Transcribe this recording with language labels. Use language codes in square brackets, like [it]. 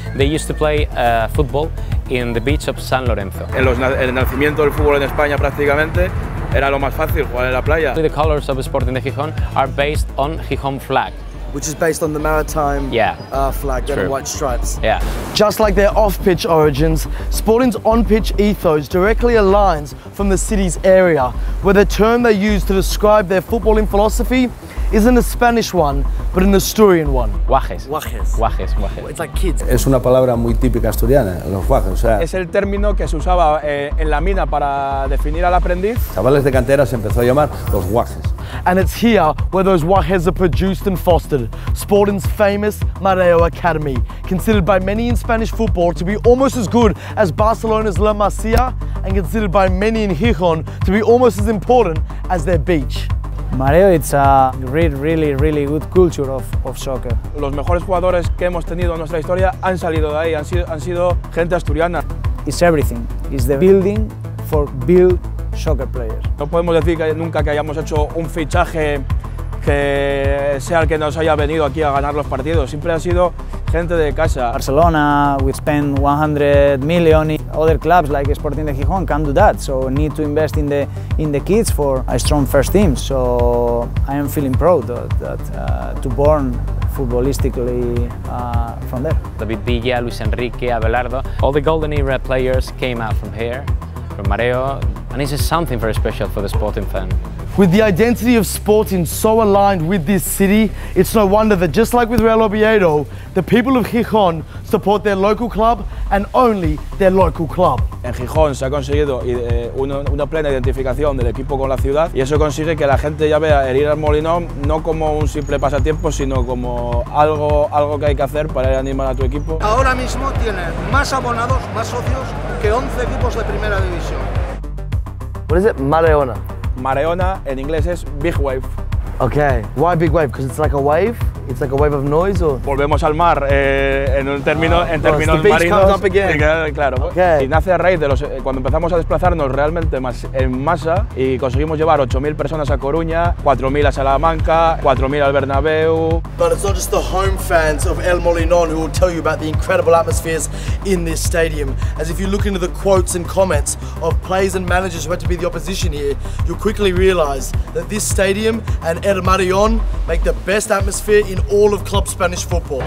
[en] They used to play football in the beach of San Lorenzo. [es] El nacimiento del fútbol en España prácticamente era lo más fácil, jugar en la playa. [en] The colors of Sporting de Gijón are based on Gijón flag. Which is based on the maritime flag, red and white stripes. Yeah. Just like their off-pitch origins, Sporting's on-pitch ethos directly aligns from the city's area, where the term they use to describe their footballing philosophy isn't a Spanish one, but an Asturian one. [ast] Guajes. Guajes. Guajes. Guajes. [en] It's like kids. [es] Es una palabra muy típica asturiana, los guajes. O sea, es el término que se usaba en la mina para definir al aprendiz. Chavales de cantera se empezó a llamar los guajes. [en] And it's here where those wajes are produced and fostered. Sporting's famous Mareo Academy, considered by many in Spanish football to be almost as good as Barcelona's La Masia, and considered by many in Gijón to be almost as important as their beach. Mareo, it's a really, really, really good culture of soccer. [es] Los mejores jugadores que hemos tenido en nuestra historia han salido de ahí, han sido gente asturiana. [en] It's everything. It's the building for build soccer players. [es] No podemos decir que nunca que hayamos hecho un fichaje que sea el que nos haya venido aquí a ganar los partidos. Siempre ha sido gente de casa. [en] Barcelona, we spend 100 million. Other clubs like Sporting de Gijón can't do that. So need to invest in the kids for a strong first team. So I am feeling proud to born footballistically from there. David Villa, Luis Enrique, Abelardo, all the golden era players came out from here, from Mareo. And this is something very special for the Sporting fan. With the identity of Sporting so aligned with this city, it's no wonder that just like with Real Oviedo, the people of Gijón support their local club and only their local club. [es] En Gijón se ha conseguido una plena identificación del equipo con la ciudad, y eso consigue que la gente ya vea el ir al Molinón no como un simple pasatiempo, sino como algo que hay que hacer para animar a tu equipo. Ahora mismo tiene más abonados, más socios que 11 equipos de primera división. [en] What is it? Mareona. Mareona in English is big wave. Okay. Why big wave? Because it's like a wave? It's like a wave of noise or? [es] Volvemos al mar en un término en términos marinos. Claro. [en] Okay. [es] Y nace a raíz de los cuando empezamos a desplazarnos realmente más en masa y conseguimos llevar 8000 personas a Coruña, 4000 a Salamanca, 4000 al Bernabéu. [en] But it's not just the home fans of El Molinón who will tell you about the incredible atmospheres in this stadium. As if you look into the quotes and comments of players and managers who had to be the opposition here, you'll quickly realize that this stadium and El Marion make the best atmosphere in all of club Spanish football.